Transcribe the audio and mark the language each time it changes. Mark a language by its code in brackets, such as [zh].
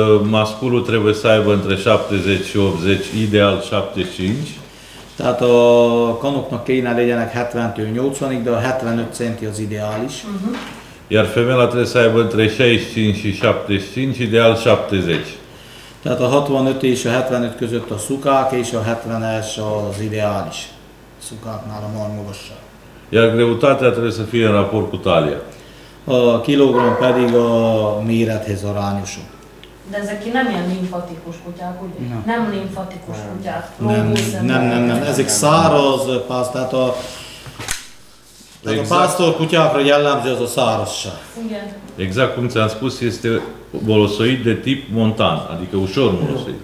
[ro] Masculul trebuie să aibă între 70 și 80, ideal 75. [hu] Tehát a kanoknak kéne legyenek 70-től 80-ig, de a 75 centi az ideális. [ro] Iar femeia trebuie să aibă între 65 și 75, ideal 70. [hu] Tehát a 65 és a 75 között a szukák, és a 70-es az ideális szukáknál a marmogossal. [ro] Iar greutatea trebuie să fie în raport cu talia. [hu] A kilogram pedig a mérethez arányos. De ezek nem ilyen limfatikus kutyák, ugye? No. Nem limfatikus kutyák. Nem. Ezek száraz pász, tehát a, exact. A pásztor kutyákra jellemző az a szárazság. Igen. [ro] Exact cum ți-am spus, este molosoid de tip montan, adică ușor molosoid.